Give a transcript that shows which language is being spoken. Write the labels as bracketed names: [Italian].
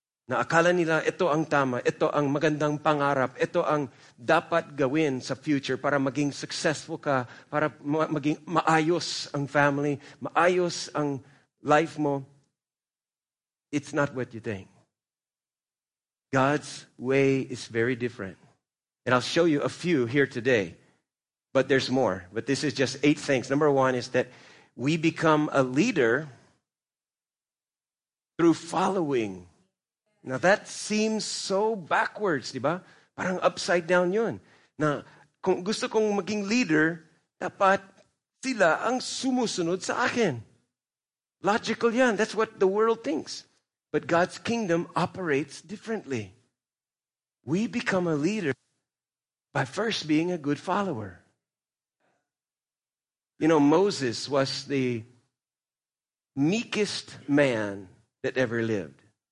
[Filipino] Na akala nila ito ang tama, ito ang magandang pangarap, ito ang dapat gawin sa future para maging successful ka, para maging maayos ang family, maayos ang life mo. [English] It's not what you think. God's way is very different. And I'll show you a few here today. But there's more. But this is just 8 things. Number one is that we become a leader through following. Now that seems so backwards, [Filipino] di ba? Parang [English] upside down yun. [Filipino] Na kung gusto kong maging leader, dapat sila ang sumusunod sa akin. Logical yan. [English] That's what the world thinks. But God's kingdom operates differently. We become a leader by first being a good follower. You know, Moses was the meekest man that ever lived.